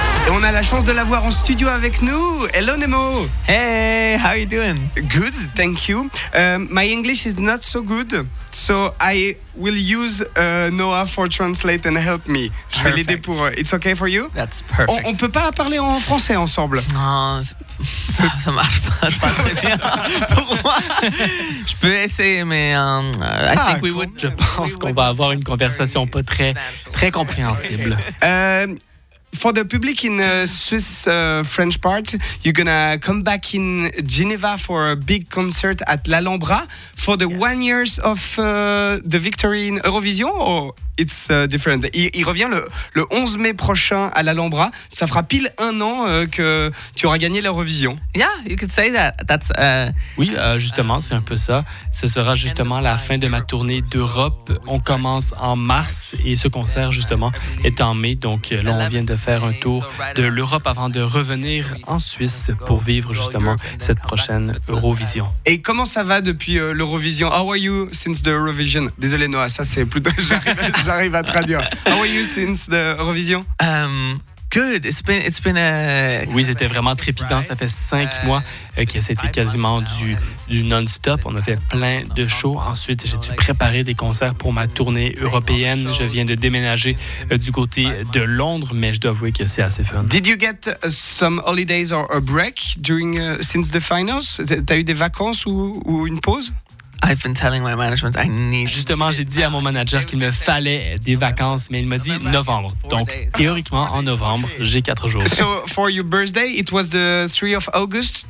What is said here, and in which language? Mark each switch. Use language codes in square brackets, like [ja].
[fr] On a la chance de l'avoir en studio avec nous. [en] Hello Nemo. Hey, how are you doing? Good, thank you. My English is not so good, so I will use Noah for translate and help me. Perfect. [fr] Je vais l'aider pour... [en] It's okay for you? That's perfect. [fr] On peut pas parler en français ensemble? Non, ça marche pas. Ça marche pas. Je peux essayer, mais je pense qu'on va avoir une conversation pas très, très compréhensible. [en] For the public in the Swiss French part, you're going to come back in Geneva for a big concert at L'Alhambra for the 1 year of the victory in Eurovision, or it's different? [fr] Il revient le 11 mai prochain à L'Alhambra. Ça fera pile un an que tu auras gagné l'Eurovision. [en] Yeah, you could say that. That's, [fr] justement, c'est un peu ça. Ce sera justement la fin de ma tournée d'Europe. On commence en mars et ce concert, justement, est en mai. Donc là, on vient de faire un tour de l'Europe avant de revenir en Suisse pour vivre justement cette prochaine Eurovision. Et comment ça va depuis l'Eurovision? [en] How are you since the Eurovision? [fr] Désolé Noah, ça c'est plutôt... j'arrive à traduire. [en] How are you since the Eurovision? Good, it's been a... [fr] Oui, c'était vraiment trépidant. Ça fait 5 mois que c'était quasiment du non-stop. On a fait plein de shows. Ensuite, j'ai dû préparer des concerts pour ma tournée européenne. Je viens de déménager du côté de Londres, mais je dois avouer que c'est assez fun. [en] Did you get some holidays or a break during since the finals? [fr] T'as eu des vacances ou une pause? [en] I've been telling my management I need. [fr] Justement, j'ai dit à mon manager qu'il me fallait des vacances, mais il m'a dit novembre. Donc, théoriquement, en novembre, j'ai 4 jours. [en] So, for your birthday, it was the 3 of August.